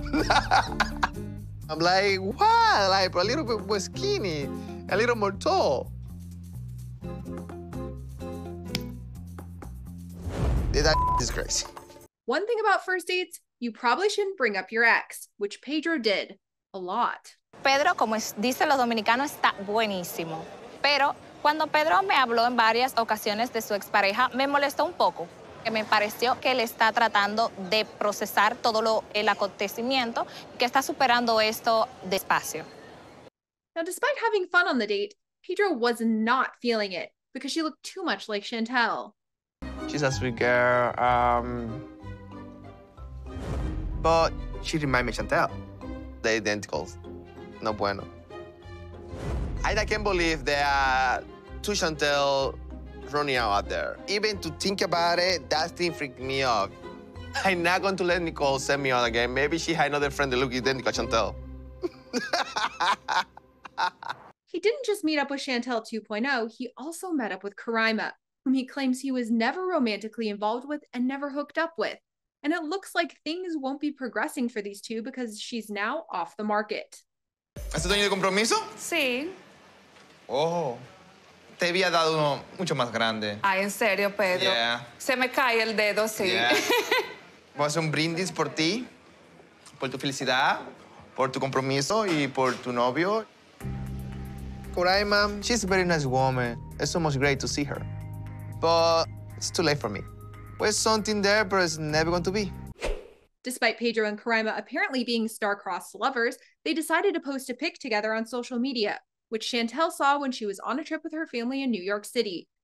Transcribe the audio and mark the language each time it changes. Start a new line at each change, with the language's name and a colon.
English: I'm like, what? Like, a little bit more skinny, a little more tall. That is crazy. One thing about first dates, you probably shouldn't bring up your ex, which Pedro did a lot.
Spanish: Pedro, como dicen los dominicanos, está buenísimo. Pero cuando Pedro me habló en varias ocasiones de su expareja, me molestó un poco. Que me pareció que él está tratando de procesar todo el acontecimiento, que está superando esto despacio.
English: Now, despite having fun on the date, Pedro was not feeling it because she looked too much like Chantel. She's a sweet girl, but she reminds me of Chantel. They're identical.
Spanish: No bueno.
English: I can't believe there are two Chantel running out there. Even to think about it, that thing freaked me out. I'm not going to let Nicole send me on again. Maybe she had another friend that looked identical to Chantel. He didn't just meet up with Chantel 2.0. He also met up with Coraima, whom he claims he was never romantically involved with and never hooked up with. And it looks like things won't be progressing for these two because she's now off the market.
Spanish: ¿Es dueño de compromiso? Sí. Oh, te había dado uno mucho más grande. Ay, en serio, Pedro.
English: Yeah.
Spanish: Se me cae el dedo, sí.
English: Yeah.
Spanish: Voy a hacer un brindis por ti, por tu felicidad, por tu compromiso y por tu novio.
English: Coraima, she's a very nice woman. It's almost great to see her. But it's too late for me. There's something there, but it's never going to be. Despite Pedro and Coraima apparently being star-crossed lovers, they decided to post a pic together on social media, which Chantel saw when she was on a trip with her family in New York City.